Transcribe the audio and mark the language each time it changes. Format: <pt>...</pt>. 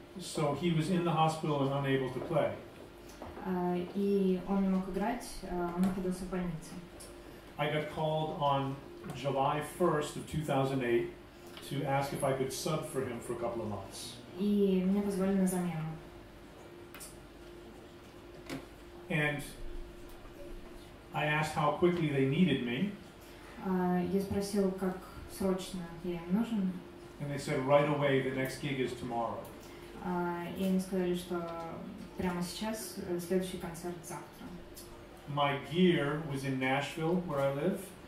<en>So he was in the hospital and unable to play.</en> <ru>И он не мог играть, он находился в больнице.</ru> <en>I got called on July 1st of 2008 to ask if I could sub for him for a couple of months.</en> <ru>И меня позвали на замену.</ru> <en>And I asked how quickly they needed me.</en> <ru>Я спросил, как срочно я им нужен.</ru> <en>And they said, right away, the next gig is tomorrow.</en> <ru>И они сказали, что прямо сейчас следующий концерт завтра.</ru> <en>My gear was in Nashville, where I live.</en>